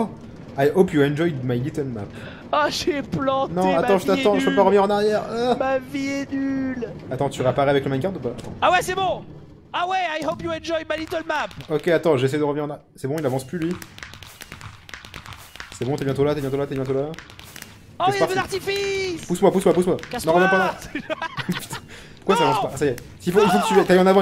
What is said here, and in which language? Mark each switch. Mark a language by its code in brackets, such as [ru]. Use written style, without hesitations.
[en] Oh I hope you enjoyed my little map. [fr] Ah j'ai planté. Non attends, ma je t'attends, je peux pas revenir en arrière. Ma vie est nulle. Attends, tu réapparais avec le minecart ou pas? Attends. Ah ouais c'est bon. Ah ouais, [en] I hope you enjoyed my little map. [fr] Ok attends, j'essaie de revenir en arrière. C'est bon, il avance plus lui. C'est bon, t'es bientôt là. Oh, il y a feu d'artifice! Pousse-moi. Casse-moi! Non, reviens pas là! Quoi, non ça avance pas? Ça y est. Il faut que tu ailles en avant,